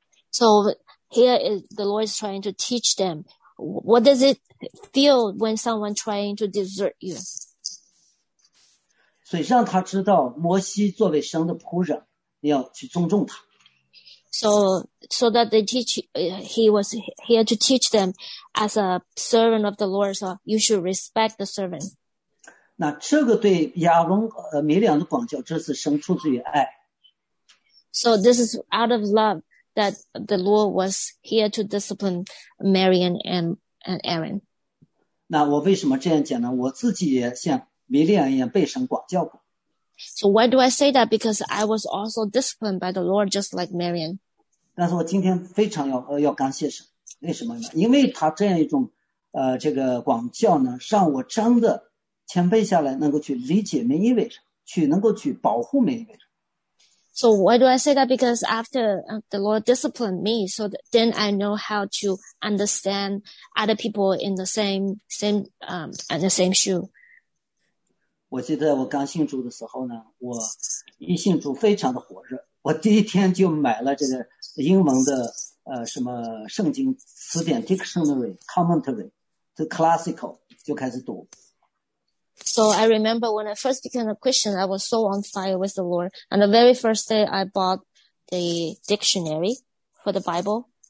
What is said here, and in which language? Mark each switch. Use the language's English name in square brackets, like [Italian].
[English] So here is the Lord is trying to teach them. What does it feel when someone trying to desert you? [Chinese] 所以让他知道摩西作为神的仆人，你要去尊重他。 [English] So that they teach, he was here to teach them as a servant of the Lord. So you should respect the servant. [Chinese] 那这个对亚伦米利亚的管教，这是神出自于爱。 [English] So this is out of love. That the Lord was here to discipline Marian and Aaron. [Chinese] 那我为什么这样讲呢？我自己也像米利亚一样被神管教过。 [English] So why do I say that? Because I was also disciplined by the Lord, just like Marian. [Chinese] 但是我今天非常要感谢神，为什么呢？因为他这样一种这个管教呢，让我真的谦卑下来，能够去理解每一位人，去能够去保护每一位人。 [English] So why do I say that? Because after the Lord disciplined me, so then I know how to understand other people in the same shoe. [Chinese] 我记得我刚信主的时候呢，我一信主非常的火热。我第一天就买了这个英文的什么圣经词典 [English] dictionary commentary the classical [Chinese] 就开始读。 [English] So I remember when I first became a Christian, I was so on fire with the Lord. And the very first day I bought the dictionary for the Bible.